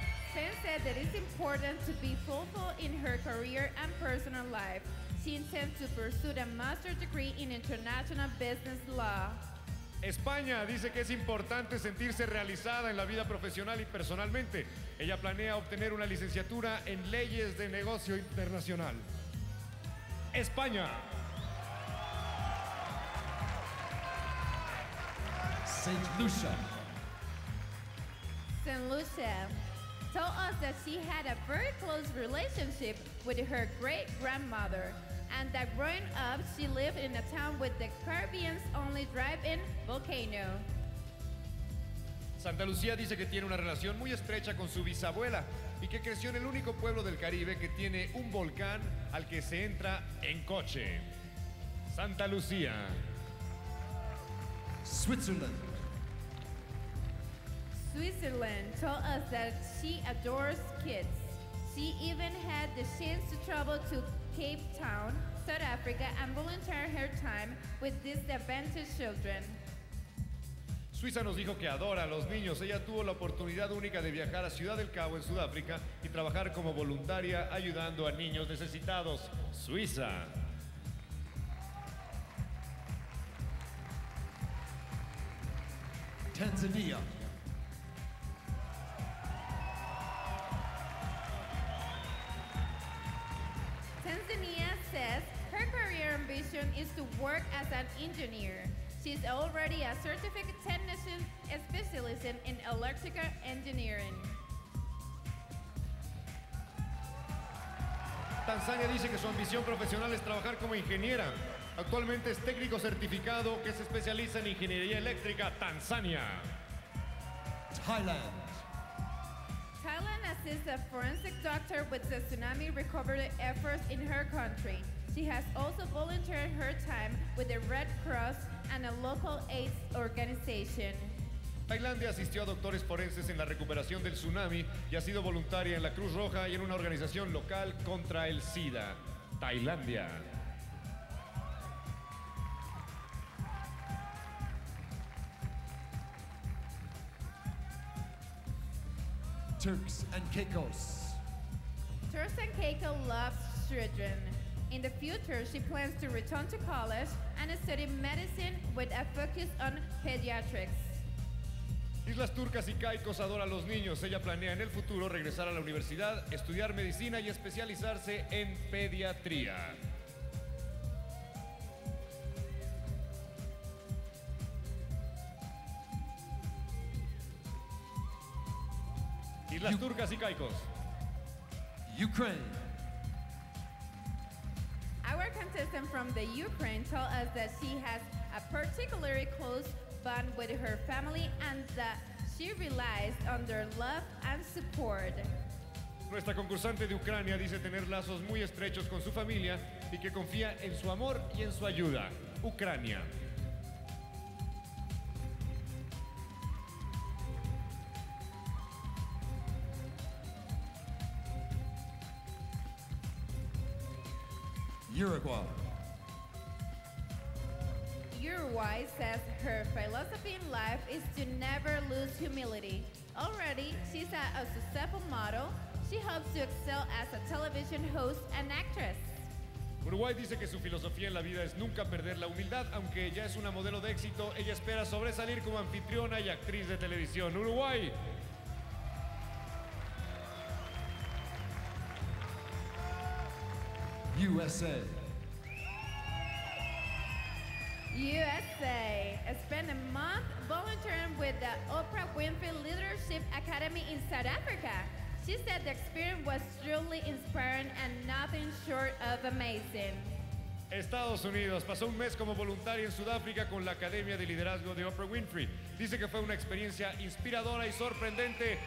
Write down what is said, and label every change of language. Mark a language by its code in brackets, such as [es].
[en] Spain said that it's important to be fulfilled in her career and personal life. She intends to pursue a master's degree in international business law. [es] España dice que es importante sentirse realizada en la vida profesional y personalmente. Ella planea obtener una licenciatura en leyes de negocio internacional. España. [en] Saint Lucia. Saint Lucia told us that she had a very close relationship with her great-grandmother and that growing up, she lived in a town with the Caribbean's only drive-in volcano. [es] Santa Lucía dice que tiene una relación muy estrecha con su bisabuela y que creció en el único pueblo del Caribe que tiene un volcán al que se entra en coche. Santa Lucía. [en] Switzerland. Switzerland told us that she adores kids. She even had the chance to travel to Cape Town, South Africa, and volunteer her time with disadvantaged children. [es] Suiza nos dijo que adora a los niños. Ella tuvo la oportunidad única de viajar a Ciudad del Cabo, en Sudáfrica, y trabajar como voluntaria ayudando a niños necesitados. Suiza. [en] Tanzania. Tanzania says her career ambition is to work as an engineer. She's already a certified technician specializing in electrical engineering. [es] Tanzania dice que su ambición profesional es trabajar como ingeniera. Actualmente es técnico certificado que se especializa en ingeniería eléctrica. Tanzania. [en] Thailand. Thailand assists a forensic doctor with the tsunami recovery efforts in her country. She has also volunteered her time with the Red Cross and a local AIDS organization. [es] Tailandia asistió a doctores forenses en la recuperación del tsunami y ha sido voluntaria en la Cruz Roja y en una organización local contra el SIDA. Tailandia. [en] Turks and Caicos. Turks and Caicos loves children. In the future, she plans to return to college and study medicine with a focus on pediatrics. [es] Islas Turcas y Caicos adora a los niños. Ella planea en el futuro regresar a la universidad, estudiar medicina y especializarse en pediatría. Islas Turcas y Caicos. [en] Ukraine. Our contestant from the Ukraine told us that she has a particularly close bond with her family and that she relies on their love and support. [es] Nuestra concursante de Ucrania dice tener lazos muy estrechos con su familia y que confía en su amor y en su ayuda. Ucrania. [en] Uruguay. Uruguay says her philosophy in life is to never lose humility. Already, she's a successful model. She hopes to excel as a television host and actress. [es] Uruguay dice que su filosofía en la vida es nunca perder la humildad. Aunque ella es una modelo de éxito, ella espera sobresalir como anfitriona y actriz de televisión. Uruguay. Argentina. [en] USA. USA. Spent a month volunteering with the Oprah Winfrey Leadership Academy in South Africa. She said the experience was truly inspiring and nothing short of amazing. [es] Estados Unidos. Pasó un mes como voluntaria en Sudáfrica con la Academia de Liderazgo de Oprah Winfrey. Dice que fue una experiencia inspiradora y sorprendente.